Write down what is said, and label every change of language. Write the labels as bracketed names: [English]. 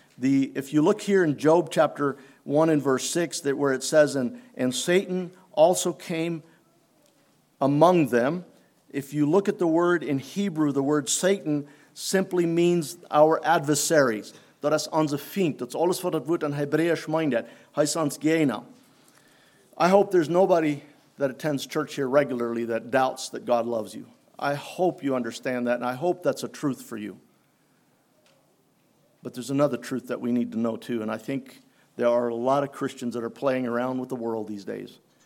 [English] If you look here in Job chapter 1 in verse 6, that where it says, and Satan also came among them. If you look at the word in Hebrew, the word Satan simply means our adversaries. [German] Das unser Feind. Das alles, was das Wort in Hebräisch meint, heißt uns Gegner. [English] I hope there's nobody that attends church here regularly that doubts that God loves you. I hope you understand that, and I hope that's a truth for you. But there's another truth that we need to know too, and I think there are a lot of Christians that are playing around with the world these days.